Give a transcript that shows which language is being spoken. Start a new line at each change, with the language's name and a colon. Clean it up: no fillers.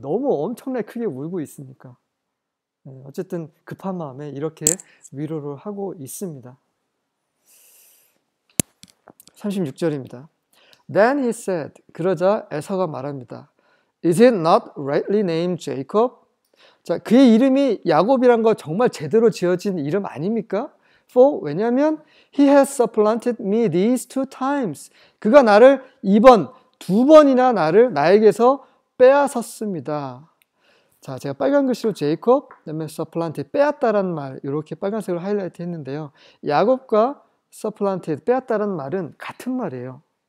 Korean: 너무 엄청나게 크게 울고 있으니까. 어쨌든 급한 마음에 이렇게 위로를 하고 있습니다. 36절입니다.
English: Then he said,
Korean: 그러자 에서가 말합니다.
English: Is it not rightly named Jacob?
Korean: 자, 그의 이름이 야곱이란 거 정말 제대로 지어진 이름 아닙니까?
English: For,
Korean: 왜냐하면
English: He has supplanted me these two times.
Korean: 그가 나를 두 번이나 나를 나에게서 빼앗았습니다. 자, 제가 빨간 글씨로 제이콥, 그다음에 supplanted, 빼앗다라는 말 이렇게 빨간색으로 하이라이트 했는데요. 야곱과 supplanted, 빼앗다라는 말은 같은 말이에요.